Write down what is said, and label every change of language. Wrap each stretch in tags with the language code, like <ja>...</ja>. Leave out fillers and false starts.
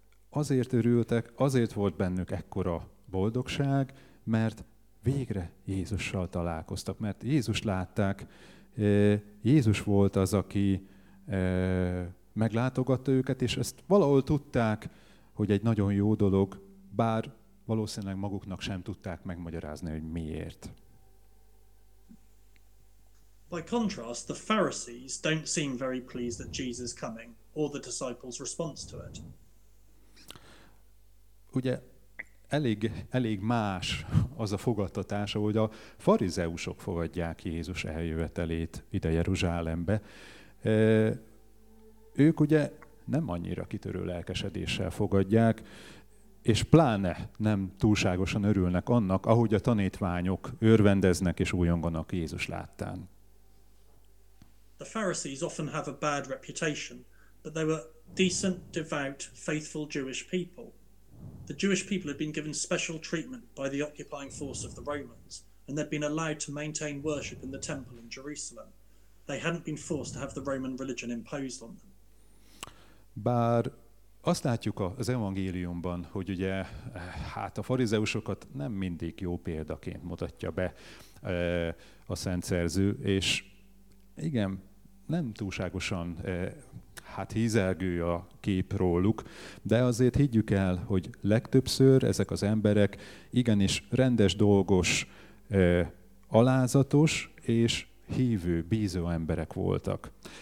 <hu>Azért örültek, azért volt bennük ekkora boldogság, mert végre Jézussal találkoztak, mert Jézust látták. Jézus volt az, aki meglátogatta őket, és ezt valahol tudták, hogy egy nagyon jó dolog, bár valószínűleg maguknak sem tudták megmagyarázni, hogy miért.</hu> <en>By contrast, the Pharisees don't seem very pleased that Jesus is coming, or the disciples' response to it.</en> <hu>Ugye elég más az a fogadtatás, ahogy a farizeusok fogadják Jézus eljövetelét ide Jeruzsálembe. Ők ugye nem annyira kitörő lelkesedéssel fogadják, és pláne nem túlságosan örülnek annak, ahogy a tanítványok örvendeznek és újonganak Jézus láttán.</hu> <en>The Pharisees often have a bad reputation, but they were decent, devout, faithful Jewish people. The Jewish people had been given special treatment by the occupying force of the Romans, and they'd been allowed to maintain worship in the temple in Jerusalem. They hadn't been forced to have the Roman religion imposed on them.</en> <hu>Bár azt látjuk az evangéliumban, hogy ugye hát a farizeusokat nem mindig jó példaként mutatja be a Szent Szerző, és igen, nem túlságosan hát hízelgő a kép róluk, de azért higgyük el, hogy legtöbbször ezek az emberek igenis rendes, dolgos, alázatos és hívő, bízó emberek voltak.</hu>